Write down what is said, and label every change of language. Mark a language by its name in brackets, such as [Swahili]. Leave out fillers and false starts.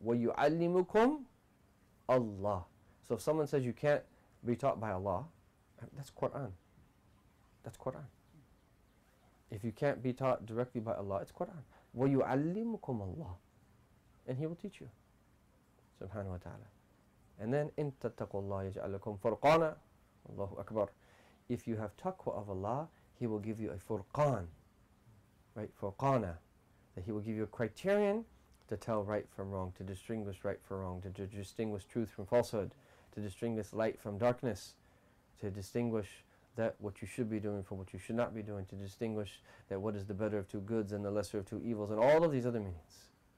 [Arabic] وَيُعَلِّمُكُمْ [English] Allah. So if someone says you can't be taught by Allah, that's Qur'an. That's Qur'an. If you can't be taught directly by Allah, it's Qur'an. [Arabic] وَيُعَلِّمُكُمْ [English] Allah, and He will teach you. [Arabic] Subhanahu wa ta'ala. [English] And then, [Arabic] إِن تَتَّقُوا اللَّهِ يَجْعَلْ لَكُمْ فُرْقَانًا. Allahu Akbar. [English] If you have taqwa of Allah, He will give you a furqan. Right? Furqana. That He will give you a criterion to tell right from wrong, to distinguish right from wrong, to distinguish truth from falsehood, to distinguish light from darkness, to distinguish that what you should be doing from what you should not be doing, to distinguish that what is the better of two goods and the lesser of two evils, and all of these other meanings.